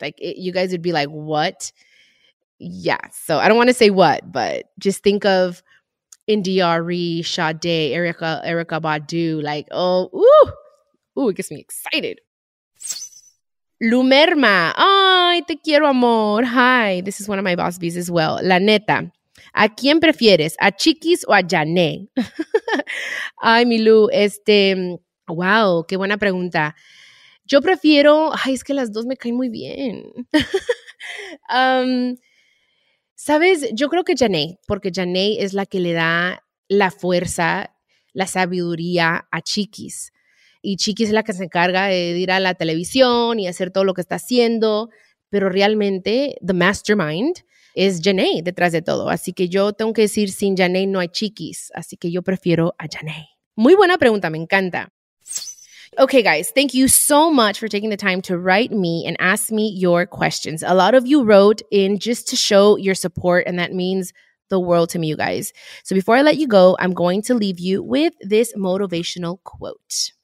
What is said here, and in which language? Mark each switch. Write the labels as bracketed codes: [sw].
[en] Like, you guys would be like, what? Yeah, so I don't want to say what, but just think of India Ree, Sade, Erica Badu. Like, oh, ooh, it gets me excited. Lumerma, [es] ay, te quiero, amor. [en] Hi, this is one of my boss bees as well. [es] La neta, ¿a quién prefieres? ¿A Chiquis o a Jané? Ay, Milu, wow, qué buena pregunta. Yo prefiero, ay, es que las dos me caen muy bien. ¿Sabes? Yo creo que Janae, porque Janae es la que le da la fuerza, la sabiduría a Chiquis. Y Chiquis es la que se encarga de ir a la televisión y hacer todo lo que está haciendo. Pero realmente, [en] the mastermind [es] es Janae detrás de todo. Así que yo tengo que decir, sin Janae no hay Chiquis. Así que yo prefiero a Janae. Muy buena pregunta, me encanta. [en] Okay, guys, thank you so much for taking the time to write me and ask me your questions. A lot of you wrote in just to show your support, and that means the world to me, you guys. So before I let you go, I'm going to leave you with this motivational quote.